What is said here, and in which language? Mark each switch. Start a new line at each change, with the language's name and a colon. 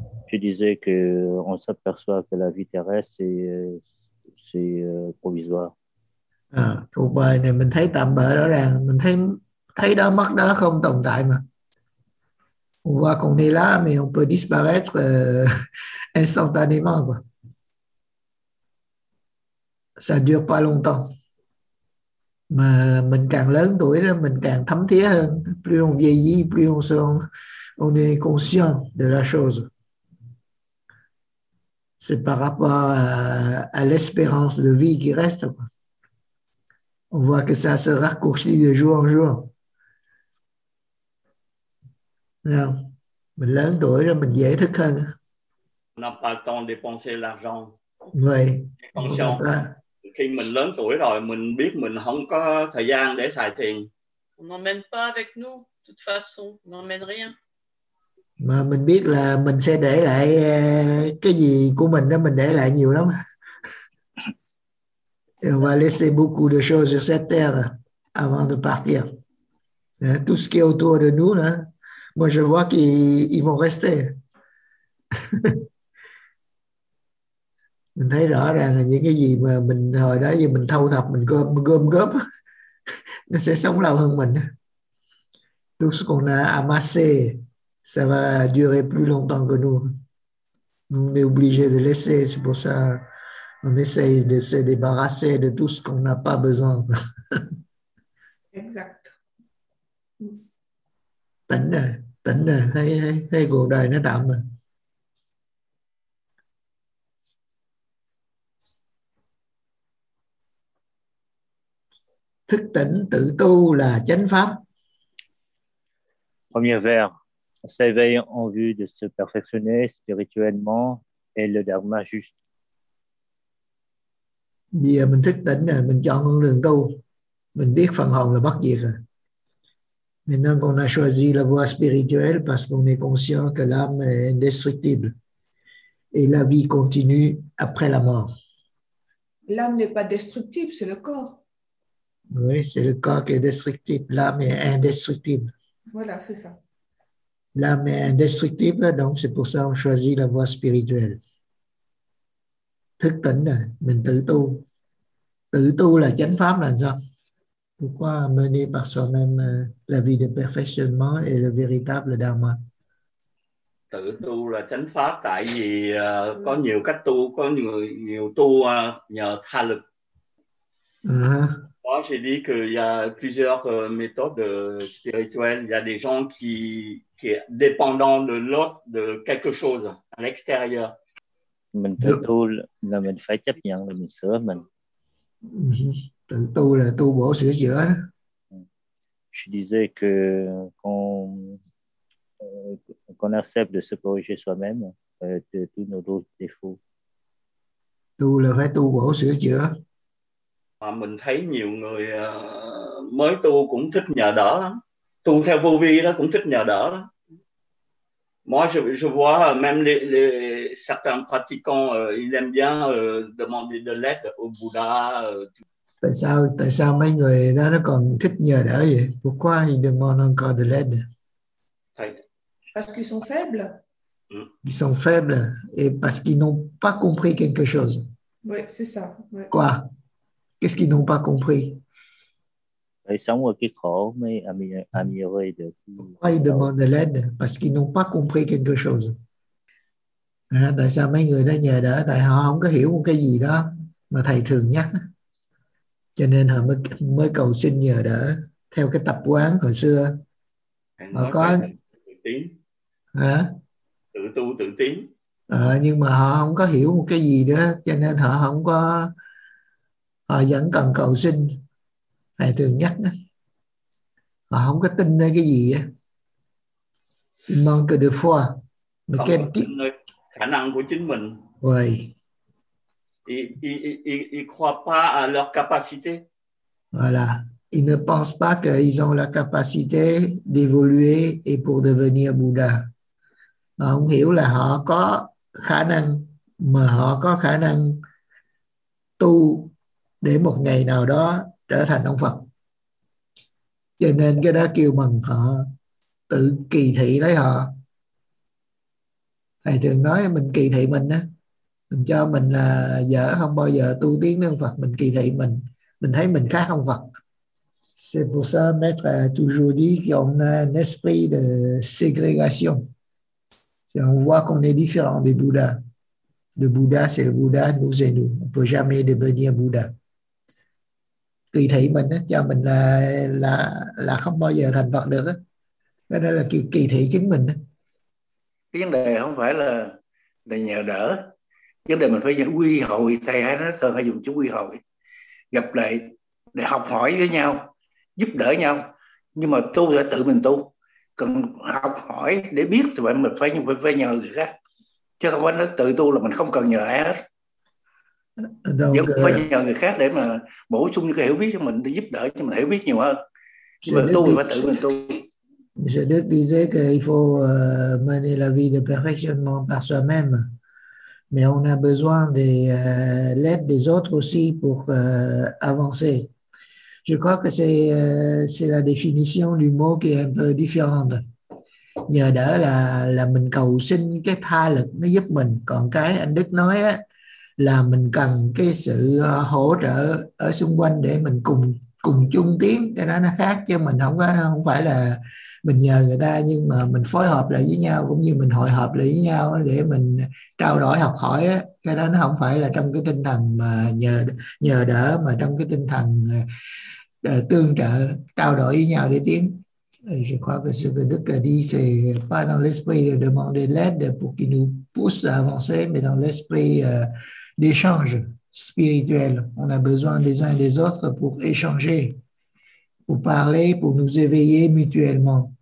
French: Je disais que on s'aperçoit que la vie terrestre c'est provisoire.
Vietnamese: Cuộc đời này mình thấy tạm bợ, rõ ràng mình thấy đó mất đó không tồn tại mà.
French: On voit qu'on est là mais on peut disparaître instantanément quoi. Ça dure pas longtemps.
Vietnamese: Mà mình càng lớn tuổi là mình càng thấm thía hơn.
French: Plus on vieillit, plus on est conscient de la chose. C'est par rapport à l'espérance de vie qui reste. On voit que ça se raccourcit de jour en jour.
Vietnamese: Mình lớn tuổi là mình dễ thức hơn.
French: On n'a pas le temps de dépenser l'argent. Oui. Conscient.
Vietnamese: Khi mình lớn tuổi rồi mình biết mình không có thời gian để xài tiền.
French: On n'emmène pas avec nous, de toute façon, on n'emmène rien.
Vietnamese: Mà mình biết là mình sẽ để lại cái gì của mình đó, mình để lại nhiều lắm.
French: On va laisser beaucoup de choses sur cette terre avant de partir. Tout ce qui est autour de nous là, moi je vois qu'ils vont rester.
Vietnamese: Mình thấy rõ ràng là những cái gì mà mình hồi đó giờ mình thâu thập, mình gom góp nó sẽ sống lâu hơn mình.
French: Tout ce qu'on a amassé, ça va durer plus longtemps que nous. Nous on est obligé de laisser, c'est pour ça on essaye de se débarrasser de tout ce qu'on n'a pas besoin. Exact.
Vietnamese: Tỉnh à, thấy cuộc đời nó đậm à. Thức tỉnh tự tu là chánh pháp.
French: Premier vers, s'éveille en vue de se perfectionner spirituellement et le dharma juste.
Vietnamese: Bây giờ mình thức tỉnh rồi, mình chọn con đường tu, mình biết phần hồn là bất diệt rồi.
French: Maintenant qu'on a choisi la voie spirituelle parce qu'on est conscient que l'âme est indestructible et la vie continue après la mort. L'âme n'est pas destructible, c'est le corps. Oui, c'est le corps qui est destructible. L'âme est indestructible. Voilà, c'est ça. L'âme est indestructible, donc c'est pour ça qu'on choisit la voie spirituelle.
Vietnamese: Thức tỉnh, mình tự tu. Tự tu là chánh pháp là sao?
French: Pourquoi mener par soi-même la vie de perfectionnement et le véritable dharma?
Vietnamese: Tự tu là chánh pháp tại vì có nhiều cách tu, có nhiều tu nhờ tha lực.
French: Moi, j'ai dit qu'il y a plusieurs méthodes spirituelles. Il y a des gens qui sont dépendants de l'autre, de quelque chose à l'extérieur.
Vietnamese: Mình tự tu là mình phải chấp nhận là mình sửa mình. Tự tu là tu bổ sửa chữa. Je disais que qu'on accepte de se corriger soi-même de tous nos défauts. Tu là phải tu bổ sửa chữa. Mà mình thấy nhiều người mới tu cũng thích nhờ đỡ lắm. Tu theo vô vi đó cũng thích nhờ đỡ lắm.
French: Moi, je vois même certains pratiquants, ils aiment bien demander de l'aide au Bouddha.
Vietnamese: Tại sao mấy người đó nó còn thích nhờ đỡ vậy?
French: Pourquoi ils demandent encore de l'aide? Parce qu'ils sont faibles. Ils sont faibles et parce qu'ils n'ont pas compris quelque chose. Oui, c'est ça. Quoi? Qu'est-ce qu'ils n'ont pas compris? Et sans moi qui crois, mais améliorer de... Pourquoi ils demandent de l'aide? Parce qu'ils n'ont pas compris quelque chose.
Vietnamese: Tại sao mấy người đó nhờ đỡ? Tại họ không có hiểu cái gì đó mà thầy thường nhắc. Cho nên họ mới cầu xin nhờ đỡ theo cái tập quán hồi xưa. Họ có... Hả? Tự tu tự tiến. Nhưng mà họ không có hiểu một cái gì nữa, cho nên họ không có, họ vẫn cần cầu xin thầy thường nhắc đó. Họ không có tin nơi cái gì á.
French: Il manque de foi. Mais quel type?
Vietnamese: Khả năng của chính mình.
French: Oui. Il croit pas à leur capacité. Voilà. Ils ne pensent pas qu'ils ont la capacité d'évoluer et pour devenir Bouddha.
Vietnamese: Họ không hiểu là họ có khả năng, mà họ có khả năng tu để một ngày nào đó trở thành ông Phật. Cho nên cái đó kêu bằng họ tự kỳ thị lấy họ. Thầy thường nói mình kỳ thị mình á, mình cho mình là dở, không bao giờ tu tiến đến ông Phật. Mình kỳ thị mình thấy mình khác ông Phật.
French: C'est pour ça que Maître a toujours dit qu'on a un esprit de ségrégation. Et on voit qu'on est différent des Bouddhas. Le Bouddha, c'est le Bouddha, nous et nous. On ne peut jamais devenir Bouddha.
Vietnamese: Kỳ thị mình, cho mình là không bao giờ thành Phật được. Cái đó là kỳ thị chính mình. Cái vấn đề không phải là để nhờ đỡ. Vấn đề mình phải quy hội, thầy hay nói thường hay dùng chữ quy hội. Gặp lại để học hỏi với nhau, giúp đỡ nhau. Nhưng mà tu là tự mình tu. Cần học hỏi để biết thì mình phải nhờ người khác. Chứ không phải nói tự tu là mình không cần nhờ ai hết. Nhưng phải nhờ người khác để mà bổ sung những cái hiểu biết cho mình, để giúp đỡ cho mình hiểu biết nhiều hơn. Nhưng mà tu thì phải tự mình tu.
French: Monsieur Duc disait qu'il faut mener la vie de perfectionnement par soi-même. Mais on a besoin de l'aide des autres aussi pour avancer. Je crois que c'est la définition du mot qui est un peu différente.
Vietnamese: Nhờ đỡ là mình cầu xin cái tha lực nó giúp mình. Còn cái anh Đức nói á, là mình cần cái sự hỗ trợ ở xung quanh để mình cùng chung tiến. Cái đó nó khác, chứ mình không phải là mình nhờ người ta, nhưng mà mình phối hợp lại với nhau, cũng như mình hội họp lại với nhau để mình trao đổi học hỏi. Cái đó nó không phải là trong cái tinh thần mà nhờ đỡ, mà trong cái tinh thần tương trợ, trao đổi với nhau để tiến.
French: Je crois que ce que Đức a dit, c'est pas dans l'esprit de demander l'aide pour qu'il nous pousse à avancer, mais dans l'esprit d'échange spirituel. On a besoin des uns et des autres pour échanger, pour parler, pour nous éveiller mutuellement.